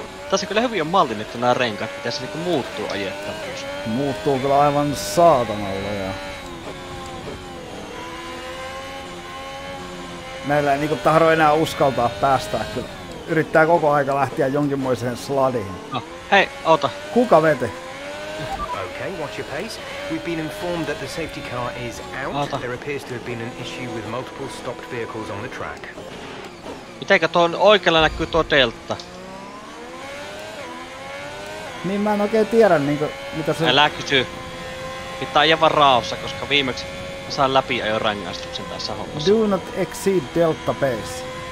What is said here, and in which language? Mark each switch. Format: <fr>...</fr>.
<fi>Tässä on kyllä hyvin on mallinnettu nämä renkaat, mitä se niinku muuttuu ajettavuus. Muuttuu kyllä aivan saatanalla ja näillä ei niinku tahdo enää uskaltaa päästää kyllä. Yrittää koko aika lähteä jonkinmoiseen sladiin. No, hei, oota. Kuka veti?</fi> <en>Okay, watch your pace. We've been informed that the safety car is out. Aata. There appears to have been an issue with multiple stopped vehicles on the track.</en> <fi>Mitenkä tuon oikealla näkyy tuo teltta? Niin mä en oikein tiedä niinku mitä se. Älä kysy. Pitää ajaa vaan raossa, koska viimeksi mä saan läpi ajon rangaistuksen tässä hommassa.</fi> <en>Do not exceed delta pace.</en>